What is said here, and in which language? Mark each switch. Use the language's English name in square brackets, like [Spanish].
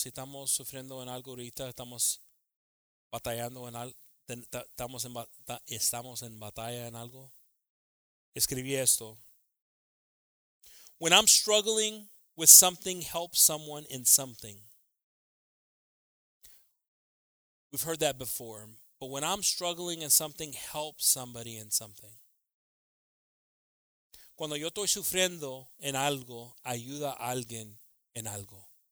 [Spanish] Si estamos sufriendo en algo ahorita, estamos batallando en algo, estamos en batalla en algo. Escribí esto. [English] When I'm struggling with something, help someone in something. We've heard that before. But when I'm struggling in something, help somebody in something. [Spanish] Cuando yo estoy sufriendo en algo, ayuda a alguien en algo.